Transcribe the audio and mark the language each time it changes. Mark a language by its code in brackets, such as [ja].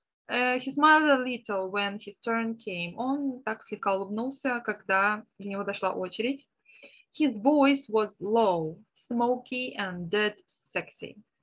[en] He smiled a little when his turn came. [ru] Он так слегка улыбнулся, когда до него дошла очередь. [en] His voice was low, smoky and dead sexy.